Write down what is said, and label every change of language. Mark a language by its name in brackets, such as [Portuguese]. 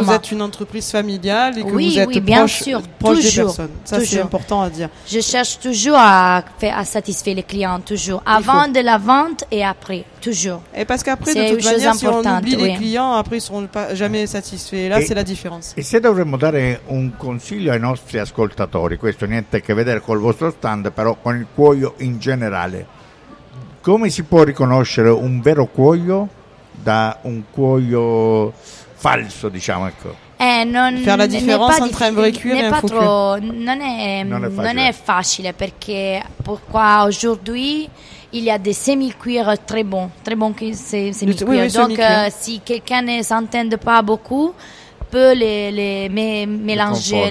[French] Que vous êtes une entreprise familiale et que vous êtes proche des personnes. Ça, toujours. C'est important à dire. Je cherche toujours à satisfaire les clients, toujours. Avant de la vente et après, toujours. Et parce qu'après, c'est de toute manière, si on oublie les clients, après, ils ne seront jamais satisfaits. Et là, c'est la différence. [Italian] Et se dovremmo dare un consiglio ai nostri ascoltatori, questo niente a che vedere col vostro stand, però con il cuoio in generale. Come si può riconoscere un vero cuoio da un cuoio falso, diciamo, ecco? [French] Faire la différence entre un vrai cuir et un faux cuir. [Italian] Non è facile perché [French] pourquoi aujourd'hui il y a des semi-cuirs très bons qui c'est semi-cuir. Donc si quelqu'un ne s'entend pas beaucoup, peut les mélanger,